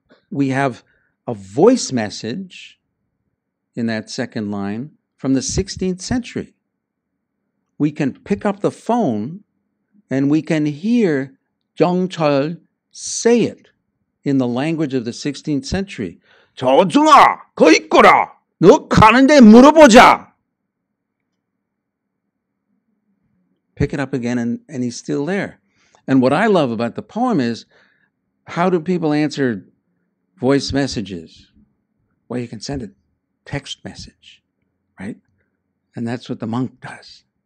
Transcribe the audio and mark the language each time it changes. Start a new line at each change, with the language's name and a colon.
English: We have a voice message in that second line from the 16th century. We can pick up the phone and we can hear Zheng Chul say it in the language of the 16th century.
Korean: 조중아, 거 있거라, 너 가는데 물어보자.
English: Pick it up again and he's still there. And what I love about the poem is, how do people answer voice messages? Well, you can send a text message, right? And that's what the monk does.